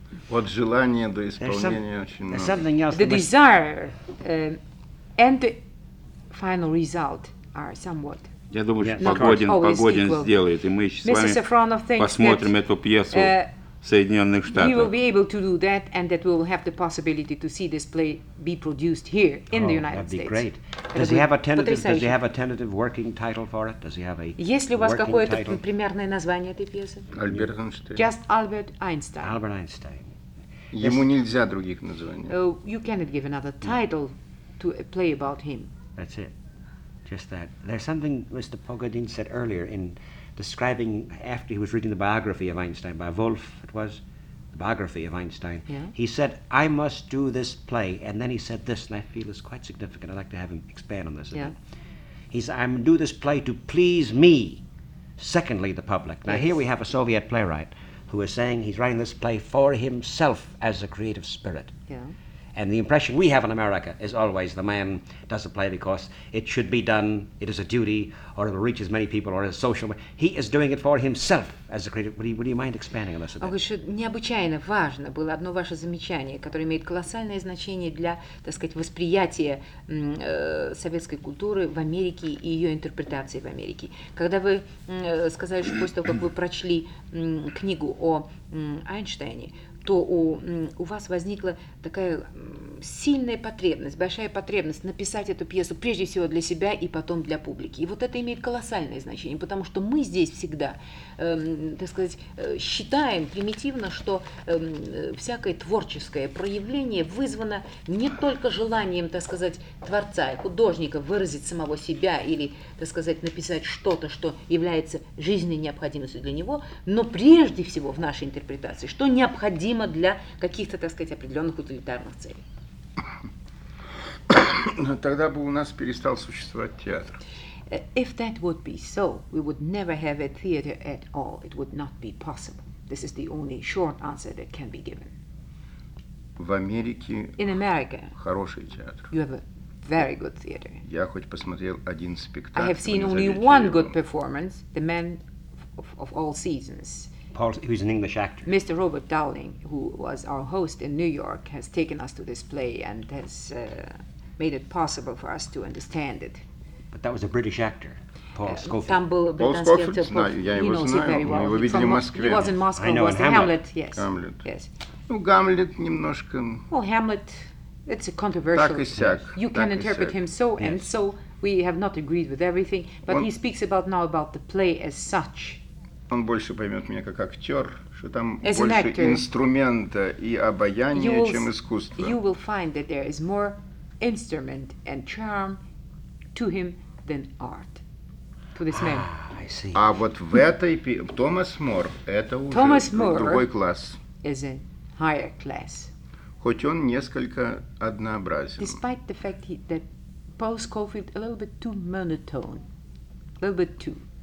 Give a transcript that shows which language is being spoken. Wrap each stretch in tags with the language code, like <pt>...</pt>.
<ru>От желания до исполнения очень много.</ru> <en>Something else. The desire and the final result are somewhat.</en> <ru>Я думаю, что Погодин сделает, и мы с вами посмотрим эту пьесу в Соединенных Штатах.</ru> <en>We will be able to do that, and that we will have the possibility to see this play be produced here in the United States. Oh, that'd be great. Does he have a tentative? Does he have a tentative working title for it? Does he have a working title?</en> <ru>Есть ли у вас какое-то примерное название этой пьесы? Альберт Эйнштейн.</ru> <en>Just Albert Einstein. Albert Einstein.</en> <ru>Ему нельзя других названий.</ru> <en>You cannot give another title to a play about him. That's it. Just that. There's something Mr. Pogodin said earlier in describing, after he was reading the biography of Einstein, by Wolf, it was, the biography of Einstein, yeah. He said, I must do this play, and then he said this, and I feel it's quite significant. I'd like to have him expand on this. Yeah. He said, I'm going to do this play to please me, secondly, the public. Now, yes. Here we have a Soviet playwright who is saying he's writing this play for himself as a creative spirit. Yeah. And the impression we have in America is always the man does a play because it should be done, it is a duty, or it will reach as many people, or as social. He is doing it for himself as a creative. Would you mind expanding on this a bit?</en> <ru>Он говорит, что необычайно важно было одно ваше замечание, которое имеет колоссальное значение для, так сказать, восприятия советской культуры в Америке и ее интерпретации в Америке. Когда вы сказали, что после того, как вы прочли книгу о Эйнштейне, то у вас возникла такая сильная потребность, большая потребность написать эту пьесу прежде всего для себя и потом для публики. И вот это имеет колоссальное значение, потому что мы здесь всегда, так сказать, считаем примитивно, что всякое творческое проявление вызвано не только желанием, так сказать, творца, художника выразить самого себя или, так сказать, написать что-то, что является жизненной необходимостью для него, но прежде всего в нашей интерпретации, что необходимо для каких-то, так сказать, определенных утилитарных целей. Тогда бы у нас перестал существовать театр.</ru> <en>If that would be so, we would never have a theater at all. It would not be possible. This is the only short answer that can be given.</en> <ru>В Америке</ru> <en>In America,</en> <ru>хороший театр.</ru> <en>You have a very good theater.</en> <ru>Я хоть посмотрел один спектакль.</ru> <en>I have seen only one good performance, The Man of All Seasons. Paul, who's an English actor. Mr. Robert Dowling, who was our host in New York, has taken us to this play and has made it possible for us to understand it. But that was a British actor, Paul Scofield.</en> <ru>Там был британский актер.</ru> <en>Paul Scofield,</en> <ru>знаю, я его знаю, мы его видели в Москве.</ru> <en>He was in Moscow, I know, was Hamlet, yes. Hamlet. Yes.</en> <ru>Ну, Гамлет немножко...</ru> <en>Well, Hamlet, it's a controversial...</en> <ru>Так и сяк.</ru> <en>You can interpret him so yes. and so. We have not agreed with everything, but he speaks about now about the play as such.</en> <ru>Он больше поймет меня как актер, что там больше инструмента и обаяния, чем искусство.</ru> <en>You will find that there is more instrument and charm to him than art, to this man. I see.</en> <ru>А вот в этой Томас Мор это уже</ru> <en>Thomas</en> <ru>другой класс.</ru> <en>Is a higher class.</en> <ru>Хоть он несколько однообразен.</ru> <en>Despite the fact that Paul Scofield a little bit too monotone, a little bit too.</en>